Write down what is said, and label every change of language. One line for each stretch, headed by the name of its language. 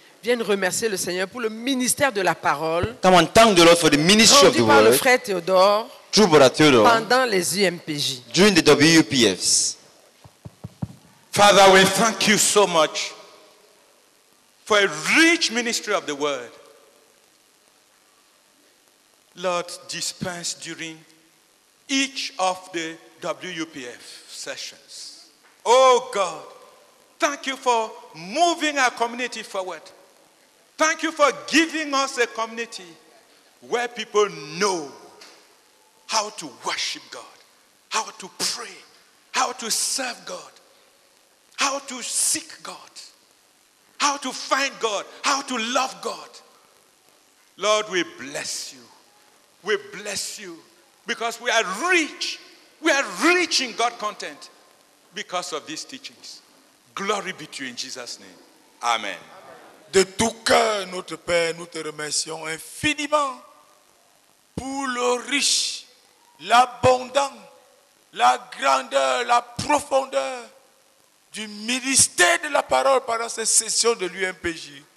French: viennent remercier le Seigneur pour le ministère de la parole.
English: Come on, thank the Lord for the ministry of the word.
French: Rendu par le frère Théodore.
English: True, brother Theodore.
French: Pendant les UMPJ.
English: During the WUPFs. Father, we thank you so much for a rich ministry of the word. Lord, dispense during each of the WUPF sessions. Oh God. Thank you for moving our community forward. Thank you for giving us a community where people know how to worship God, how to pray, how to serve God, how to seek God, how to find God, how to love God. Lord, we bless you. We bless you because we are rich. We are rich in God content because of these teachings. Glory be to you in Jesus' name. Amen.
French: De tout cœur, notre Père, nous te remercions infiniment pour le riche, l'abondant, la grandeur, la profondeur du ministère de la parole pendant cette session de l'UMPJ.